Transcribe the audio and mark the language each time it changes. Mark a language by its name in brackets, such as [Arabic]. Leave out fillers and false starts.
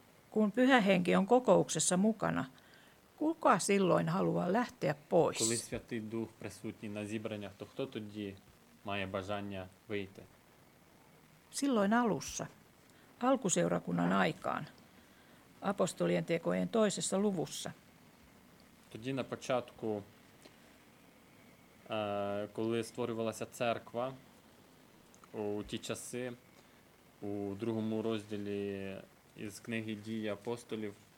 [Finnish] Kun Pyhä Henki on kokouksessa mukana, kuka silloin haluaa lähteä pois? [Ukrainian] Коли Святий Дух присутній на зібраннях, то хто тоді має бажання вийти? [Finnish] Silloin alussa, alkuseurakunnan aikaan, Apostolien tekojen toisessa luvussa. [Ukrainian] Тоді на початку, коли створювалася церква, у ті часи, у другому розділі із книги Дії апостолів.